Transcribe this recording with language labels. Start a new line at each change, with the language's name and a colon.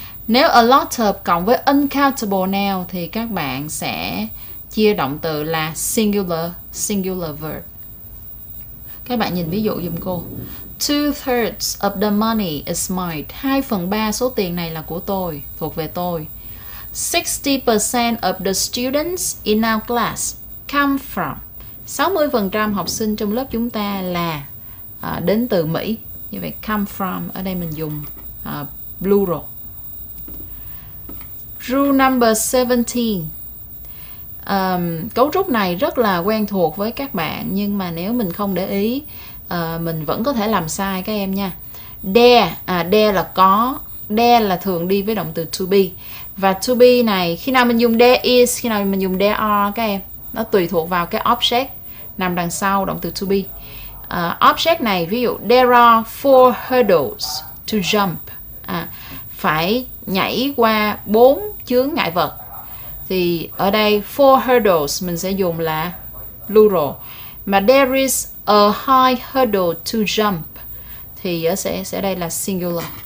Vietnamese: Nếu a lot of cộng với uncountable noun thì các bạn sẽ chia động từ là singular verb. Các bạn nhìn ví dụ giùm cô.
English: 2/3 of the money is mine.
Vietnamese: 2/3 số tiền này là của tôi, thuộc về tôi.
English: 60% of the students in our class come from.
Vietnamese: 60% học sinh trong lớp chúng ta là đến từ Mỹ. Như vậy come from, ở đây mình dùng plural.
English: Rule number 17.
Vietnamese: Cấu trúc này rất là quen thuộc với các bạn, nhưng mà nếu mình không để ý, mình vẫn có thể làm sai các em nha. There là có, there là thường đi với động từ to be. Và to be này, khi nào mình dùng there is, khi nào mình dùng there are các em, nó tùy thuộc vào cái object nằm đằng sau động từ to be. Object này, ví dụ
English: there are four hurdles to jump.
Vietnamese: Phải nhảy qua bốn chướng ngại vật. Thì ở đây four hurdles mình sẽ dùng là plural. Mà
English: there is a high hurdle to jump
Vietnamese: thì sẽ đây là
English: singular.